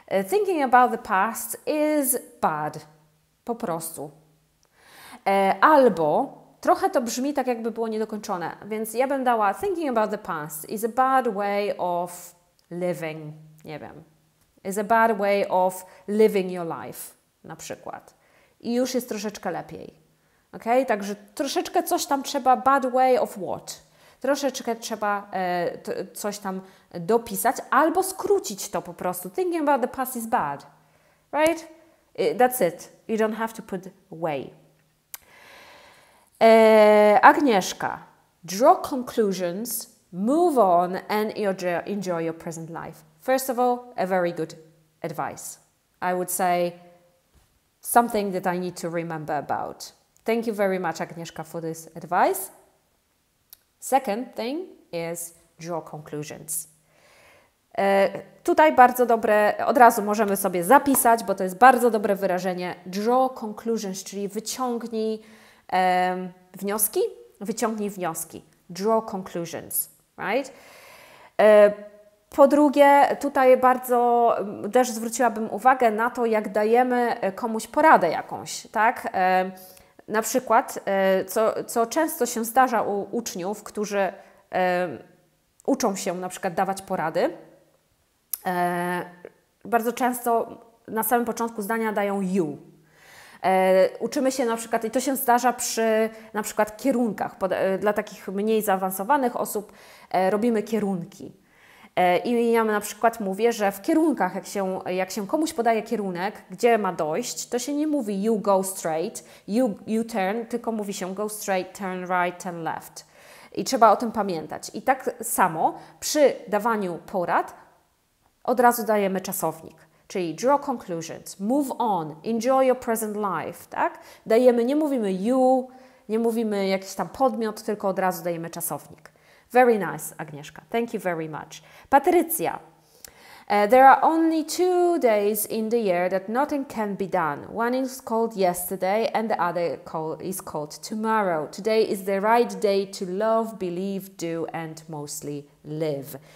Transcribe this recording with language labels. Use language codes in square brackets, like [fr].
[en] Thinking about the past is bad. [pl] Po prostu. Albo trochę to brzmi tak, jakby było niedokończone, więc ja bym dała [en] thinking about the past is a bad way of living. [pl] Nie wiem. [en] Is a bad way of living your life, [pl] na przykład. I już jest troszeczkę lepiej. Ok? Także troszeczkę coś tam trzeba, [en] bad way of what? [pl] Troszeczkę trzeba coś tam dopisać albo skrócić to po prostu. [en] Thinking about the past is bad. Right? That's it. You don't have to put way. Agnieszka. Draw conclusions, move on and enjoy your present life. First of all, a very good advice. I would say something that I need to remember about. Thank you very much, Agnieszka, for this advice. Second thing is draw conclusions. [pl] Tutaj bardzo dobre, od razu możemy sobie zapisać, bo to jest bardzo dobre wyrażenie. [en] Draw conclusions, [pl] czyli wyciągnij wnioski. Wyciągnij wnioski. [en] Draw conclusions, right? [pl] Po drugie, tutaj bardzo też zwróciłabym uwagę na to, jak dajemy komuś poradę jakąś, tak? Na przykład, co często się zdarza u uczniów, którzy uczą się na przykład dawać porady, bardzo często na samym początku zdania dają you. Uczymy się na przykład, i to się zdarza przy na przykład kierunkach, dla takich mniej zaawansowanych osób robimy kierunki. I ja na przykład mówię, że w kierunkach, jak się komuś podaje kierunek, gdzie ma dojść, to się nie mówi [en] you go straight, you turn, [pl] tylko mówi się [en] go straight, turn right, turn left. [pl] I trzeba o tym pamiętać. I tak samo przy dawaniu porad od razu dajemy czasownik, czyli [en] draw conclusions, move on, enjoy your present life, [pl] tak? Dajemy, nie mówimy you, nie mówimy jakiś tam podmiot, tylko od razu dajemy czasownik. [en] Very nice, Agnieszka. Thank you very much. Patrycja. There are only 2 days in the year that nothing can be done. One is called yesterday and the other is called tomorrow. Today is the right day to love, believe, do and mostly live.